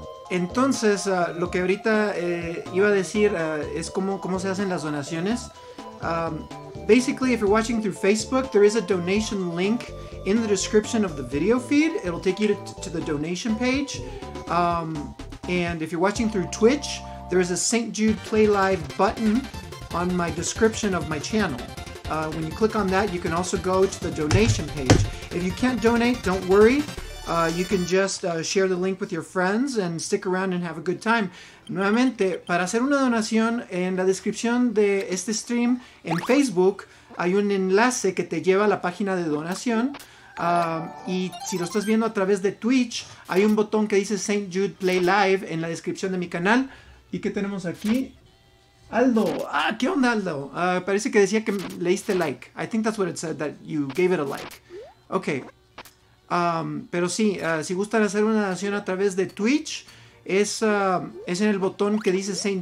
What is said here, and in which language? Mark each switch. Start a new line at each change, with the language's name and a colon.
Spanish: Entonces, lo que ahorita iba a decir es cómo se hacen las donaciones.
English: Basically, if you're watching through Facebook, there is a donation link in the description of the video feed. It'll take you to the donation page. And if you're watching through Twitch, there is a St. Jude Play Live button on my description of my channel. When you click on that, you can also go to the donation page. If you can't donate, don't worry. You can just share the link with your friends and stick around and have a good time.
Spanish: Nuevamente, para hacer una donación, en la descripción de este stream en Facebook hay un enlace que te lleva a la página de donación. Y si lo estás viendo a través de Twitch, hay un botón que dice St. Jude Play Live en la descripción de mi canal. ¿Y qué tenemos aquí? Aldo, ah, ¿qué onda, Aldo? Parece que decía que le diste like.
English: I think that's what it said, that you gave it a like. Ok.
Spanish: Pero sí, si gustan hacer una donación a través de Twitch, es en el botón que dice St.